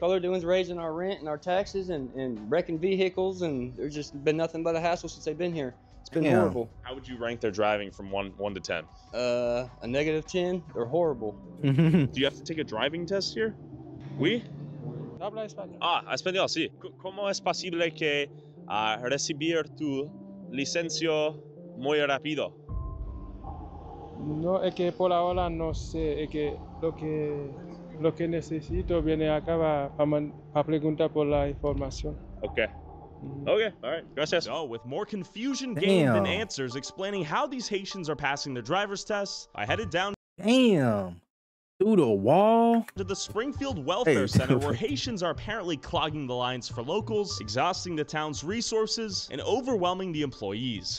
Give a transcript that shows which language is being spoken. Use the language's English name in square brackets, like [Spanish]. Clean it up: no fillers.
[English] All they're doing is raising our rent and our taxes and wrecking vehicles, and there's just been nothing but a hassle since they've been here. It's been horrible. How would you rank their driving from 1 to 10? A negative 10. They're horrible. Do you have to take a driving test here? [Spanish] We? Ah, español, sí. ¿Cómo es posible que recibir tu licencia muy rápido? No, es que por ahora no sé. Es que lo que necesito viene acá para preguntar por la información. [English] Okay. Okay, all right. Gracias. Oh, so, with more confusion gained than answers explaining how these Haitians are passing their driver's tests, I headed down. Through the wall to the Springfield Welfare Center, where Haitians are apparently clogging the lines for locals, exhausting the town's resources, and overwhelming the employees.